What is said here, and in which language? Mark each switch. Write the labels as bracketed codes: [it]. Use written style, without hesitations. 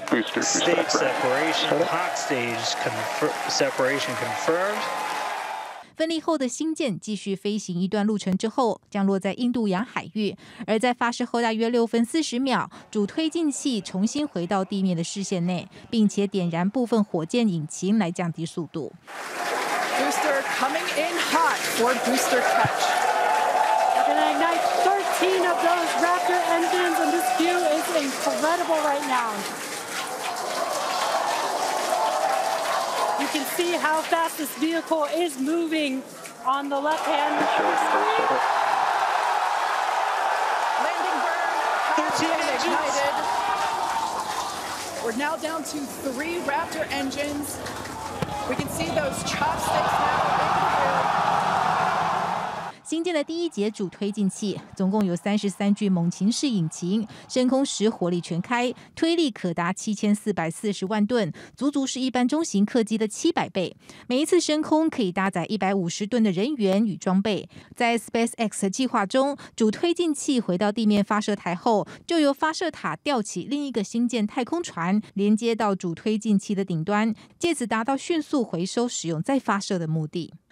[en] Stage separation, hot stage separation confirmed. [zh] 分离后的星舰继续飞行一段路程之后，降落在印度洋海域。而在发射后大约6分40秒，主推进器重新回到地面的视线内，并且点燃部分火箭引擎来降低速度。 [en] Booster coming in hot for booster touch. And I ignite 13 of those Raptor engines, and this view is incredible right now. You can see how fast this vehicle is moving on the left hand. Landing burn. 13 ignited. We're now down to 3 Raptor engines. We can see those chopsticks now. [zh] 新建的第一节主推进器，总共有33具猛禽式引擎，升空时火力全开，推力可达7440万吨，足足是一般中型客机的700倍。每一次升空可以搭载150吨的人员与装备。在 SpaceX 计划中，主推进器回到地面发射台后，就由发射塔吊起另一个新建太空船，连接到主推进器的顶端，借此达到迅速回收使用再发射的目的。